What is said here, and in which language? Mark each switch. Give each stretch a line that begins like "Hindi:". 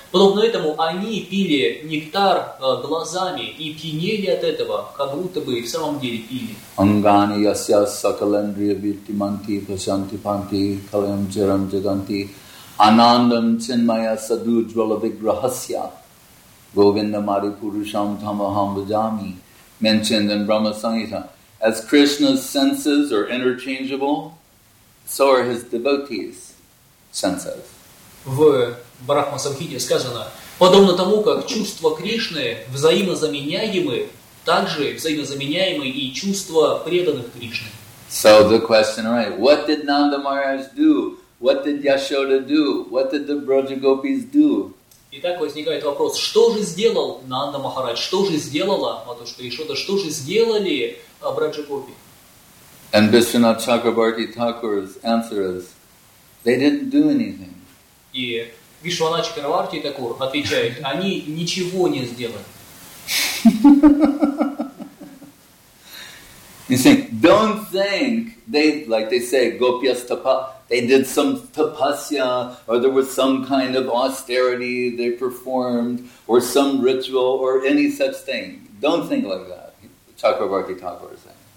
Russian: Подобно этому, они пили нектар глазами и пьянели от этого, как будто бы и в самом деле пили.
Sanskrit: Ангани яся сакалендрия виттиманти пасанти панти калям чирам джаганти анандам чинмая саду джвала виграхасья говинда мари пурушам тамахам баджами
English: mentioned in Brahma Sangita. As Krishna's senses are interchangeable, so are his devotees. Senses.
Russian: В Брахма Самхите сказано, подобно тому, как чувства Кришны взаимозаменяемы, также взаимозаменяемы и чувства преданных Кришны.
English: So the question, right? What did Nanda Maharaj do? What did Yashoda do? What did the Brajagopis do?
Russian: Итак, возникает вопрос, что же сделал Нанда Махарадж? Что же сделала Матушка Ишода? Что же сделали Брахма-гопи?
English: And Vishwanath Chakrabarti Thakur's answer is, they didn't do anything.
Russian: И Вишвана Чакраварти Такур отвечает, они ничего не сделали.
English: You think, don't think they, like they say, gopyas tapa, they did some tapasya, or there was some kind of austerity they performed, or some ritual, or any such thing. Don't think like that, Чакрабарти Такур is saying.